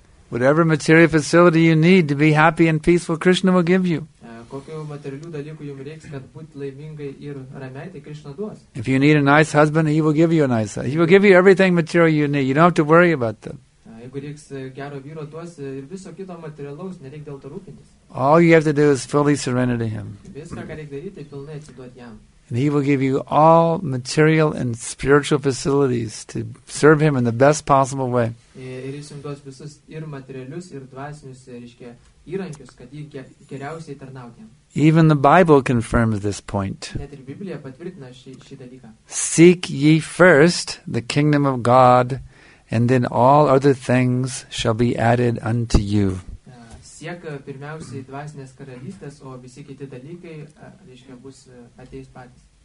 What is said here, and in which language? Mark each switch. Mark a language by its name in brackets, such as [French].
[English] Whatever material facility you need to be happy and peaceful, Krishna will give you. [Lithuanian] Kokių materialių dalykų jums reiks, kad būti laimingai ir ramiai, tai Krishna duos. [English] If you need a nice husband, he will give you a nice husband. He will give you everything material you need. You don't have to worry about that. [Lithuanian] Jeigu reiks gero vyro, duos ir viso kito materialaus, nereik dėl to rūpintis. [English] All you have to do is fully surrender to him. [Lithuanian] Viską, ką reik daryti, pilnai atsiduoti jam. [English] And he will give you all material and spiritual facilities to serve him in the best possible way. [Lithuanian] Ir jis jums duos visus ir materialius, ir dvasinius, reiškia, įrankius, kad jį geriausiai tarnauti. [English] Even the Bible confirms this point. [Lithuanian] Net ir Biblija patvirtina šį dalyką. [English] Seek ye first the kingdom of God, and then all other things shall be added unto you. [Lithuanian] Siek pirmiausiai dvasinės karalystės, o visi kiti dalykai, reiškia, bus ateis patys.